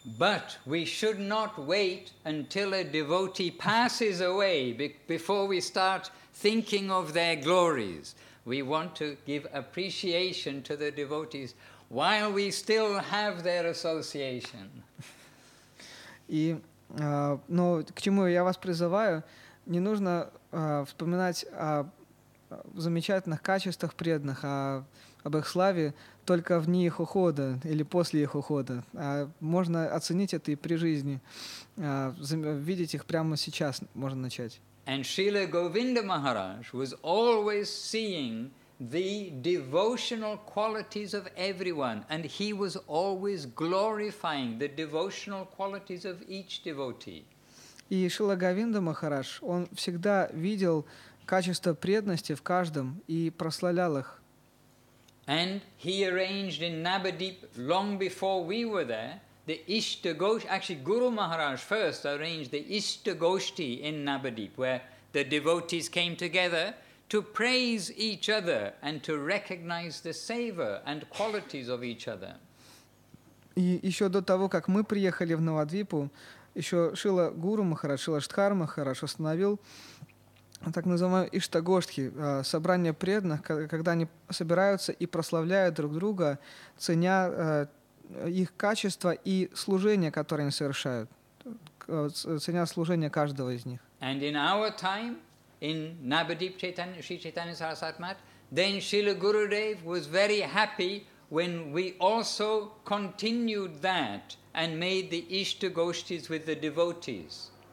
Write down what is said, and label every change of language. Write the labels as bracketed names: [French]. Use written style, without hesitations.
[English] But we should not wait until a devotee passes away before we start thinking of their glories. We want to give appreciation to the devotees while we still have their association. [Russian] И, но к чему я вас призываю, не нужно вспоминать о замечательных качествах преданных, а об их славе только в дни их ухода или после их ухода. Можно оценить это и при жизни. Видеть их прямо сейчас можно начать. [English] And Srila Govinda Maharaj was always seeing the devotional qualities of everyone, and he was always glorifying the devotional qualities of each devotee. [Russian] И Шрила Говинда Махарадж, он всегда видел качество преданности в каждом и прославлял их. [English] And he arranged in Nabadeep long before we were there the Ishtagosh. Actually, Guru Maharaj first arranged the Ishtagoshti in Nabadeep, where the devotees came together to praise each other and to recognize the seva and qualities of each other. [Russian] И еще до того, как мы приехали в Навадвипу, еще Шрила Гуру Махарадж, Шрила Штхар Махарадж установил так называемые Иштагоштхи, собрание преданных, когда они собираются и прославляют друг друга, ценя их качество и служение, которое они совершают, ценя служение каждого из них. [English] And in our time, in Nabadeep Chaitanya, Sri Chaitanya Sarasvati Math, then Srila Gurudev was very happy when we also continued that and made the Ishtagoshtis with the devotees.